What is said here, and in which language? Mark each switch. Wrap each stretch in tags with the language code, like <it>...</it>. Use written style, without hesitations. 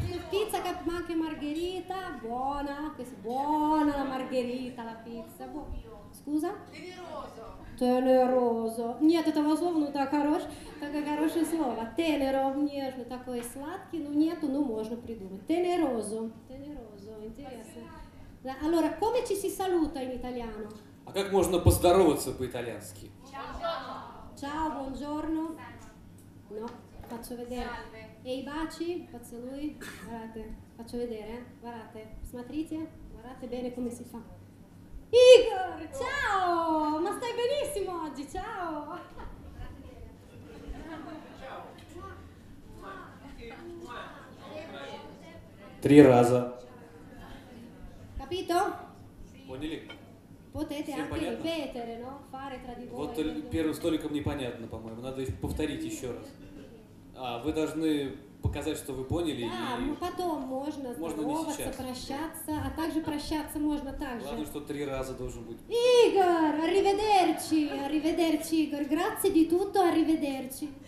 <it>Pizza, ma anche margherita, buona, buona la margherita, la pizza, scusa? Teneroso.</it> <ru>Нет, этого слова, ну, такое хорошее слово. Tenero, нежно, такой сладкий, ну, нету, ну, можно придумать.</ru> <it>Teneroso.</it> <ru>Teneroso, интересно.</ru> <it>Да, allora, come ci si saluta in italiano?</it> <ru>А как можно поздороваться по-итальянски?</ru> <it>Ciao, buongiorno. No, faccio vedere. E i baci, поцелуй, guardate, faccio vedere, guardate, смотрите, guardate bene come si fa. Igor, ciao, ma stai benissimo oggi, ciao.</it> <ru>Три раза.</ru> <it>Capito?</it> <ru>Поняли?</ru> <it>Potete</it> <ru>Всем</ru> <it>anche</it> <ru>понятно?</ru> <it>Ripetere, no? Fare tra di voi.</it> <ru>Вот первым столиком непонятно, по-моему, надо повторить еще раз. А вы должны показать, что вы поняли. Да, и потом можно здороваться, прощаться, а также прощаться можно так же. Главное, что три раза должен быть.</ru> <it>Игор, arrivederci, arrivederci, Игор. Grazie di tutto, arrivederci.</it>